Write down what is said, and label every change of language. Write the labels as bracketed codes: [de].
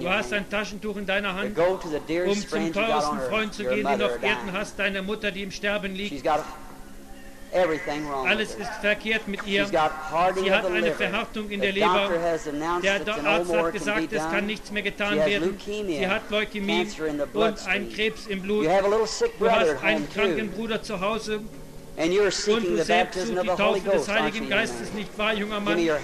[de] du hast ein Taschentuch in deiner Hand, [en] go to the dearest [de] um zum teuersten Freund zu gehen, den du auf Erden [en] dying. [de] Hast, deine Mutter, die im Sterben liegt. [en] She's got everything wrong. [de] Alles ist verkehrt mit ihr. [en] She's got hardening [de] sie hat eine Verhärtung in der Leber. Der Arzt hat gesagt, es kann nichts mehr getan werden. Sie hat Leukämie und einen Krebs im Blut. Du hast einen kranken Bruder zu Hause. Und du selbst suchst die Taufe des Heiligen Geistes, nicht wahr, junger Mann?